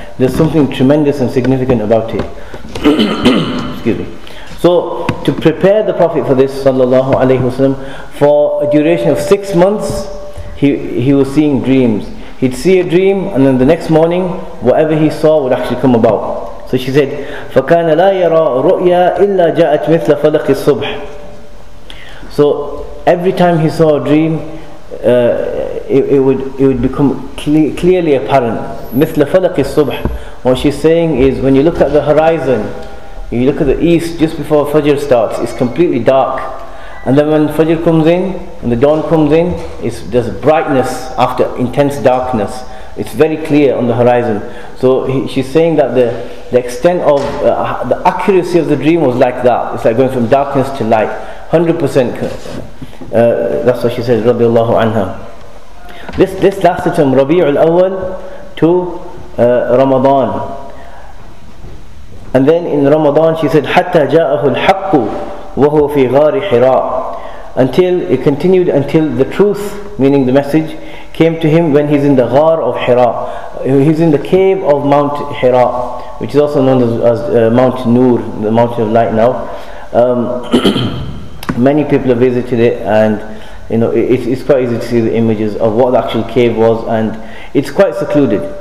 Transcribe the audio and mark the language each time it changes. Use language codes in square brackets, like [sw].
[en] There's something tremendous and significant about it. Excuse me. So to prepare the Prophet for this sallallahu alaihi wasallam, for a duration of 6 months, he was seeing dreams. He'd see a dream and then the next morning whatever he saw would actually come about. So she said, [ar] فَكَانَ لَا يَرَى رُؤْيَا إِلَّا جَاءَتْ مِثْلَ فَلَقِ الصُّبْحِ. [en] So every time he saw a dream, it would become clearly apparent. [ar] مِثْلَ فَلَقِ الصُّبْحِ. [en] What she's saying is, when you look at the horizon, you look at the east just before Fajr starts, it's completely dark. And then when Fajr comes in, when the dawn comes in, there's brightness after intense darkness. It's very clear on the horizon. So she's saying that the extent of the accuracy of the dream was like that. It's like going from darkness to light. 100%. That's what she said, radiallahu anha. This lasted from Rabi'ul Awwal to Ramadan. And then in Ramadan she said, [ar] حَتَّى جَاءَهُ الْحَقُّ وَهُوَ فِي غَارِ حِرَاءٍ. [en] Until it continued, until the truth, meaning the message, came to him when he's in the ghar of Hira. He's in the cave of Mount Hira, which is also known as Mount Nur, the mountain of light now. many people have visited it, and you know, it's quite easy to see the images of what the actual cave was, and it's quite secluded.